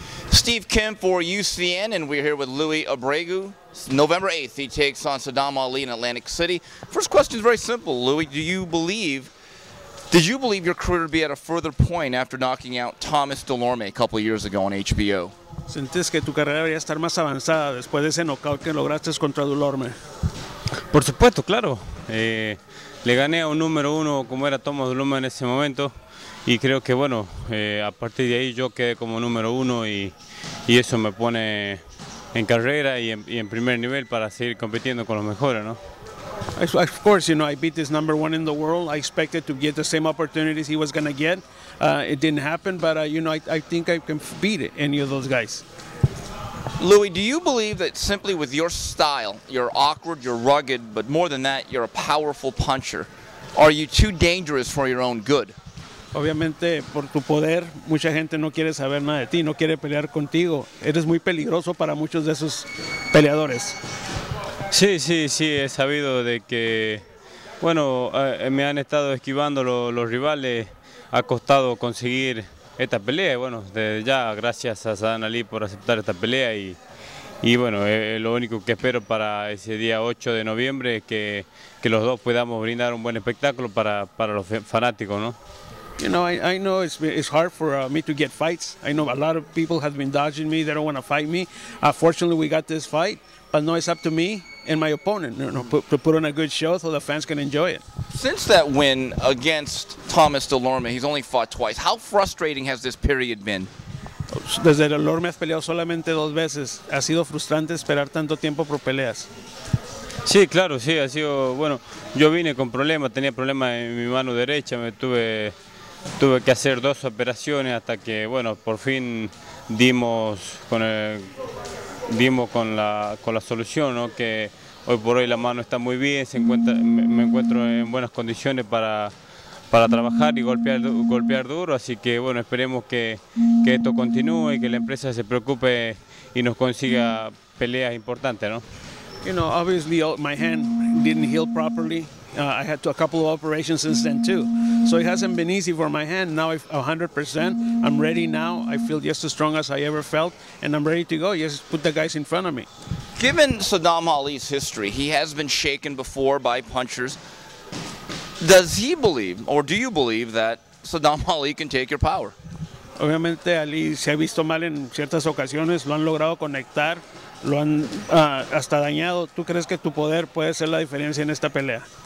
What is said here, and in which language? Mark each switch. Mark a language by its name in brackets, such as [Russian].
[English] Steve Kim for UCN, and we're here with Louis Abreu. November 8th, he takes on Saddam Ali in Atlantic City. First question is very simple, Louis. Did you believe your career would be at a further point after knocking out Thomas Delorme a couple of years ago on HBO? [Spanish] ¿Sentiste que tu carrera debería estar más avanzada después de ese knockout que lograste contra Delorme? Por supuesto, claro. Le gané a un número uno como era Thomas Delorme en ese momento. Y creo que, bueno, a partir de ahí yo quedé como número uno y eso me pone en carrera y en primer nivel para seguir compitiendo con los mejores, ¿no? [English] Of course, you know, I beat this number one in the world. I expected to get the same opportunities he was going to get. It didn't happen, but, you know, I think I can beat any of those guys. Louis, do you believe that simply with your style, you're awkward, you're rugged, but more than that, you're a powerful puncher? Are you too dangerous for your own good? [Spanish] Obviamente, por tu poder, mucha gente no quiere saber nada de ti, no quiere pelear contigo. Eres muy peligroso para muchos de esos peleadores. Sí, sí, sí, he sabido de que, bueno, me han estado esquivando los rivales. Ha costado conseguir esta pelea y, bueno, desde ya, gracias a Saddam Ali por aceptar esta pelea. Y bueno, lo único que espero para ese día 8 de noviembre es que los dos podamos brindar un buen espectáculo para los fanáticos, ¿no? [English] You know, I know it's hard for me to get fights. I know a lot of people have been dodging me. They don't want to fight me. Fortunately, we got this fight, but now it's up to me and my opponent to put on a good show so the fans can enjoy it. Since that win against Thomas Delorme, he's only fought twice. How frustrating has this period been? [Spanish] Desde Delorme has peleado solamente dos veces. Ha sido frustrante esperar tanto tiempo por peleas. Sí, claro, sí, ha sido, bueno, yo vine con problemas, tenía problemas en mi mano derecha, tuve que hacer dos operaciones hasta que, bueno, por fin dimos con la solución, ¿no? Que hoy por hoy la mano está muy bien, me encuentro en buenas condiciones para trabajar y golpear duro, así que, bueno, esperemos que esto continúe y que la empresa se preocupe y nos consiga peleas importantes, ¿no? [English] You know, obviously my hand didn't heal properly. I had a couple of operations since then too. So it hasn't been easy for my hand. Now I'm 100%. I'm ready now. I feel just as strong as I ever felt. And I'm ready to go. Just put the guys in front of me. Given Saddam Ali's history, he has been shaken before by punchers. Does he believe, or do you believe, that Saddam Ali can take your power? [Spanish] Obviamente Ali se ha visto mal en ciertas ocasiones. Lo han logrado conectar. Lo han hasta dañado. ¿Tú crees que tu poder puede ser la diferencia en esta pelea?